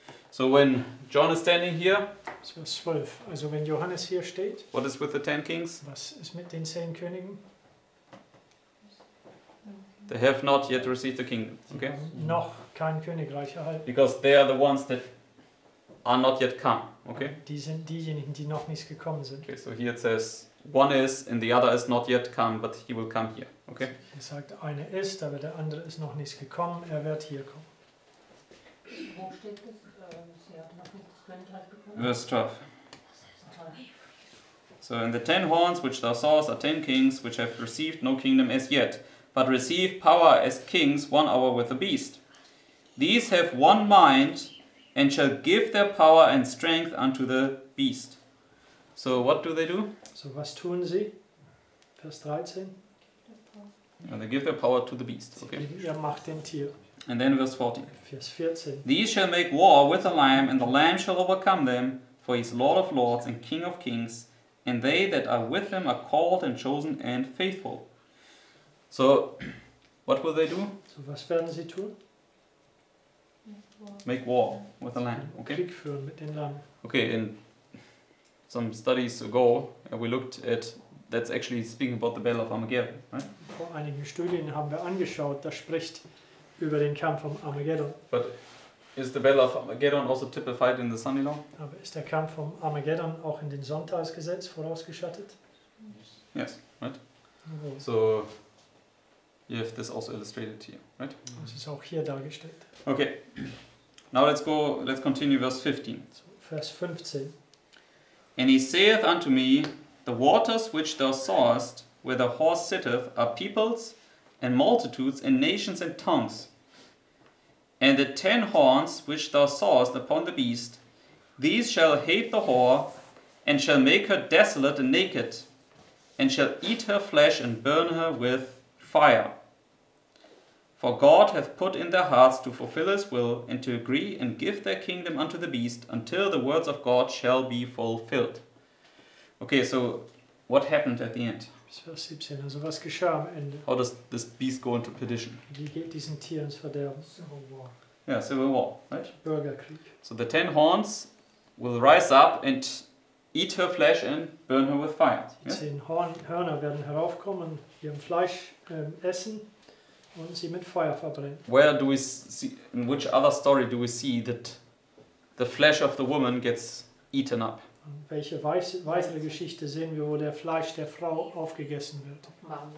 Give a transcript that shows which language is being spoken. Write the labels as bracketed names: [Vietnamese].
[English] So when John is standing here, [German] so 12. Also when Johannes hier steht, [English] what is with the 10 kings? [German] Was ist mit den 10 Königen? [English] They have not yet received the kingdom. Okay. [German] Noch kein Königreich erhalten. [English] Because they are the ones that are not yet come. Okay. [German] Die sind diejenigen, die noch nicht gekommen sind. [English] Okay. So here it says one is and the other is not yet come, but he will come here. Okay. [German] Er sagt, eine ist, aber der andere ist noch nicht gekommen. Er wird hier kommen. Wo steht das? Sie hat noch nicht das Königreich bekommen. [English] Verse 12. So, and the 10 horns which thou sawest are 10 kings which have received no kingdom as yet, but receive power as kings 1 hour with the beast. These have one mind and shall give their power and strength unto the beast. So, what do they do? [German] So, was tun sie? Vers 13. [English] And they give their power to the beast. Okay. [German] Sie geben ihr Macht dem Tier. [English] And then verse 14. [German] Vers 14. [English] These shall make war with the Lamb, and the Lamb shall overcome them, for he is Lord of lords and King of kings. And they that are with him are called and chosen and faithful. So, what will they do? So, was werden sie tun? Make war with the Lamb. Okay. [German] Krieg führen mit dem Lamm. [English] Okay. In some studies ago, we looked at that's actually speaking about the Battle of Armageddon, right? [German] Vor einigen Studien haben wir angeschaut, das spricht über den Kampf um Armageddon. [English] But is the Battle of Armageddon also typified in the Sunday law? [German] Aber ist der Kampf um Armageddon auch in den Sonntagsgesetz vorausgeschattet? [English] Yes, right? Okay. So, you have this also illustrated here, right? [German] Das ist auch hier dargestellt. [English] Okay, now let's continue verse 15. [German] So, Vers 15. [English] And he saith unto me, the waters which thou sawest, where the horse sitteth, are peoples and multitudes and nations and tongues. And the 10 horns which thou sawest upon the beast, these shall hate the whore, and shall make her desolate and naked, and shall eat her flesh and burn her with fire. For God hath put in their hearts to fulfill his will, and to agree and give their kingdom unto the beast, until the words of God shall be fulfilled. Okay, so what happened at the end? [German] Vers 17, also was geschah am Ende? [English] How does this beast go into perdition? [German] Wie geht diesen Tier ins Verderben? [English] Civil war. Yeah, civil war, right? [German] Bürgerkrieg. [English] So the 10 horns will rise up and eat her flesh and burn her with fire. [German] Die 10 Hörner werden heraufkommen, ihrem Fleisch essen und sie mit Feuer verbrennen. [English] Where do we see, in which other story do we see that the flesh of the woman gets eaten up? [German] Welche weitere Geschichte sehen wir, wo der Fleisch der Frau aufgegessen wird?